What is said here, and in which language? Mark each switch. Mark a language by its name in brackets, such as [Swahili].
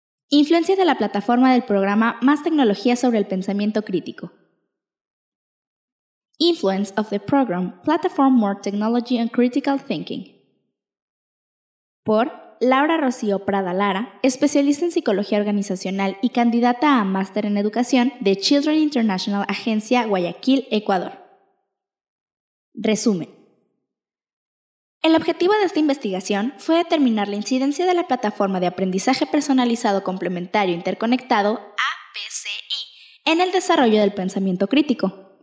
[Spanish] Influencia de la plataforma del programa Más Tecnología sobre el Pensamiento Crítico. [English] Influence of the program Platform More Technology and Critical Thinking. [Spanish] Por Laura Rocío Prada Lara, especialista en psicología organizacional y candidata a máster en educación de Children International Agencia Guayaquil, Ecuador. Resumen. El objetivo de esta investigación fue determinar la incidencia de la plataforma de aprendizaje personalizado complementario interconectado APCI en el desarrollo del pensamiento crítico.